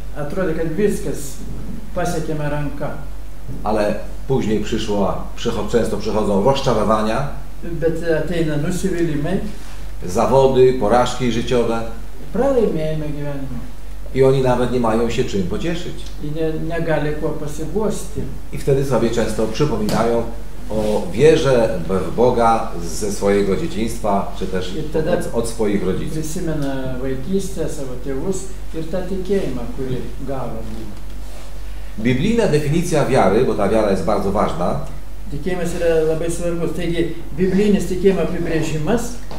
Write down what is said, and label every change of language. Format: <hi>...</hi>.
<lt>Atrodė, kad viskas pasiekėme ranka.</lt> <pl>Ale później często przychodzą rozczarowania,</pl> <lt>bet ateina nusivylimai,</lt> <pl>zawody, porażki życiowe,</pl> <lt>pralaimėjimai gyvenimo.</lt> <pl>i oni nawet nie mają się czym pocieszyć.</pl> <lt>I nie gali kuo pasiguosti.</lt> <pl>I wtedy sobie często przypominają o wierze w Boga ze swojego dzieciństwa, czy też od swoich rodziców.</pl> <lt>Prisimena vaikystę, savo tėvus ir tą tikėjimą, kurį gavo.</lt> <pl>Biblijna definicja wiary, bo ta wiara jest bardzo ważna.</pl> <lt>Tikėjimas yra labai svarbus. Taigi, biblijnis tikėjimo apibrėžimas</lt>